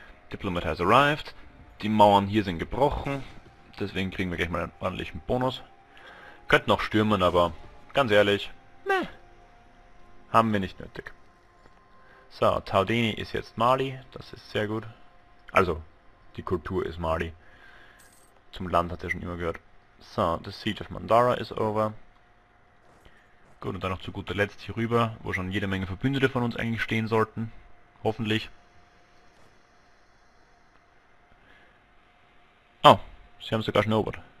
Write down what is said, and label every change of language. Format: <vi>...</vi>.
<en>Diplomat has arrived.</en> <de>Die Mauern hier sind gebrochen. Deswegen kriegen wir gleich mal einen ordentlichen Bonus. Könnte noch stürmen, aber ganz ehrlich, ne, haben wir nicht nötig. So, Taudini ist jetzt Mali. Das ist sehr gut. Also, die Kultur ist Mali. Zum Land hat er schon immer gehört.</de> <en>So, the Siege of Mandara is over.</en> <de>Gut, und dann noch zu guter Letzt hier rüber, wo schon jede Menge Verbündete von uns eigentlich stehen sollten. Hoffentlich. Oh, sie haben sogar Snowboard.</de>